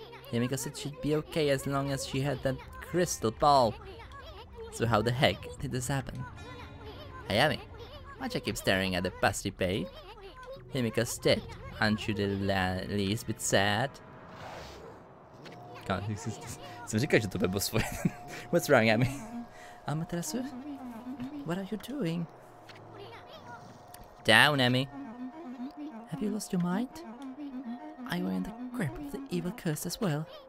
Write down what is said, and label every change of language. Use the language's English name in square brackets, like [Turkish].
[English] Himiko said she'd be okay as long as she had that crystal ball. So how the heck did this happen? Hayami, why'd you keep staring at the pasty bay? Himiko's dead. Aren't you the least bit sad? [Czech] God, jsem říkal, že to bude boss fight. [English] What's wrong, Amy? Amaterasu, what are you doing? Down, Amy. Have you lost your mind? Are you in the grip of the evil curse as well?